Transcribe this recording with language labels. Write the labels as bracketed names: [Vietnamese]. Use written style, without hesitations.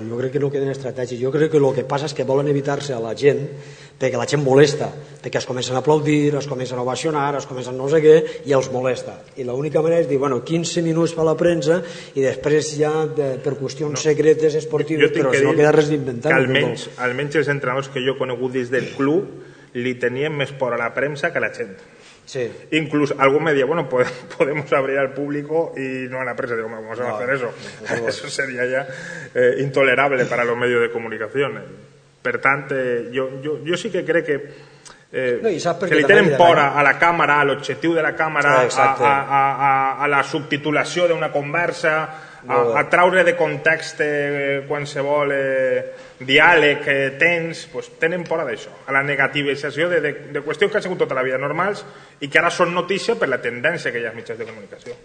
[Catalan] Jo crec que no queden estratègies, jo crec que el que passa és que volen evitar-se a la gent perquè la gent molesta, perquè es comencen a aplaudir, es comencen a ovacionar, es comencen no sé què, i els molesta. I l'única manera és dir, bueno, 15 minuts per la premsa i després ja per qüestions secretes esportives, però si no queda res d'inventar. Almenys els entrenadors que jo he conegut des del club li tenien més por a la premsa que a la gent. Sí. [Spanish] Incluso algún medio, bueno, podemos abrir al público y no a la prensa, digo, vamos a hacer eso. Eso sería ya intolerable para los medios de comunicación. [Catalan] Per tant, [Spanish] yo sí que creo que [Catalan] no, que li tenen por a la càmera, a l'objectiu de la càmera, a la subtitulació d'una conversa, a traure de context qualsevol diàleg que tens, pues tenen por a d'això, a la negativització de qüestions que han sigut tota la vida normals i que ara són notícia per la tendència que hi ha als mitjans de comunicació.